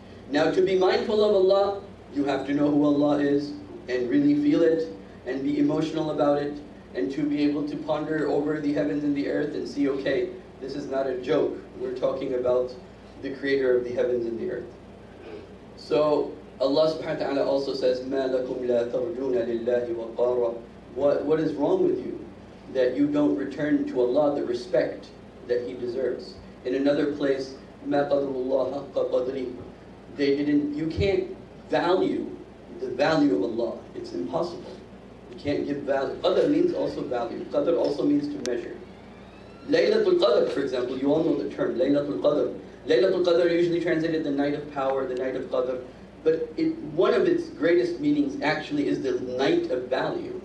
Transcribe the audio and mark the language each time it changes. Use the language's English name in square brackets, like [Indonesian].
[English] Now to be mindful of Allah, you have to know who Allah is, and really feel it, and be emotional about it, and to be able to ponder over the heavens and the earth and see, okay, this is not a joke, we're talking about the creator of the heavens and the earth. So Allah subhanahu wa ta'ala also says, [Arabic] مَا لَكُمْ لَا تَرْجُونَ لِلَّهِ وَقَارًا. [English] What is wrong with you that you don't return to Allah the respect that He deserves? In another place, [Arabic] مَا قَدْرُ اللَّهَ حَقَّ قَدْرِهِ. [English] They didn't, you can't value the value of Allah. It's impossible. You can't give value. Qadr means also value. Qadr also means to measure. Laylatul Qadr, for example, you all know the term, Laylatul Qadr. Laylatul Qadr usually translated the night of power, the night of Qadr. But it, one of its greatest meanings actually is the night of value.